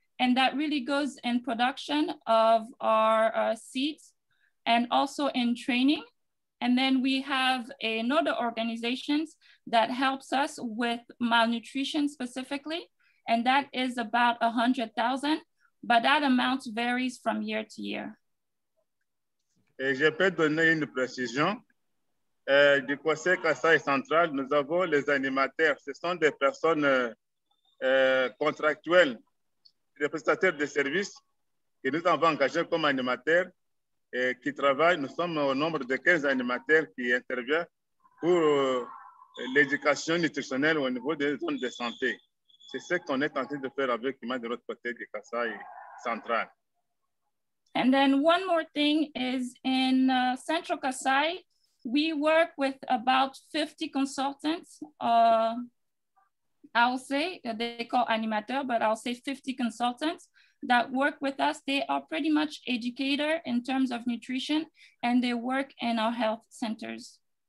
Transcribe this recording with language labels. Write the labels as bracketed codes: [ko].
[en] And that really goes in production of our seeds and also in training. And then we have another organization that helps us with malnutrition specifically. And that is about 100,000, but that amount varies from year to year. [fr] Et je peux donner une précision. Du côté Kassai Central, nous avons les animateurs. Ce sont des personnes contractuelles. Des prestataires de services que nous avons engagés comme animateurs et qui travaillent. Nous sommes au nombre de 15 animateurs qui interviennent pour l'éducation nutritionnelle au niveau des zones de santé. C'est ce qu'on est en train de faire avec l'IMA de l'autre côté du Kassai Central. [en] And then one more thing is in Central Kassai, we work with about 50 consultants. I'll say they call animateurs, but I'll say 50 consultants that work with us, they are pretty much educators in terms of nutrition, and they work in our health centers.